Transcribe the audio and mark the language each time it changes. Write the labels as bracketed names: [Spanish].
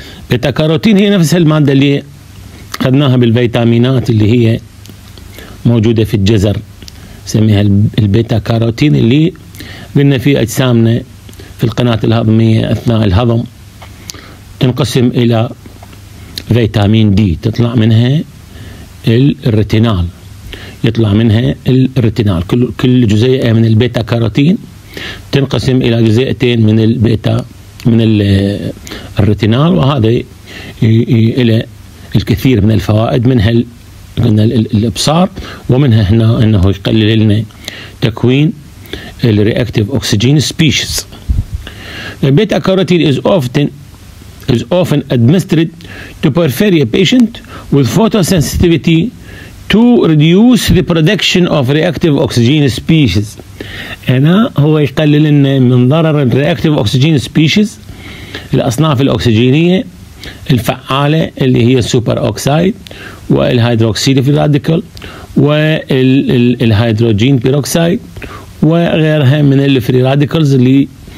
[Arabic] بيتا كاروتين هي نفس المادة اللي خدناها بالفيتامينات اللي هي موجودة في الجزر، سميها البيتا كاروتين، اللي قلنا في أجسامنا في القناة الهضمية أثناء الهضم تنقسم إلى فيتامين دي، تطلع منها الريتينال، يطلع منها الريتينال، كل جزيئة من البيتا كاروتين تنقسم إلى جزيئتين من البيتا من الريتينال، وهذا إلى الكثير من الفوائد، منها قلنا الإبصار، ومنها هنا أنه يقلل لنا تكوين الرياكتيف أكسجين سبيشيز. [English] Beta carotene is often administered to porphyria patient with photosensitivity to reduce the production of reactive oxygen species. [Arabic] هنا هو يقلل لنا من ضرر reactive oxygen species، الأصناف الأكسجينية الفعالة اللي هي السوبر أوكسيد والهيدروكسيد في راديكال والهيدروجين بيروكسيد وغيرها من الفري راديكالز اللي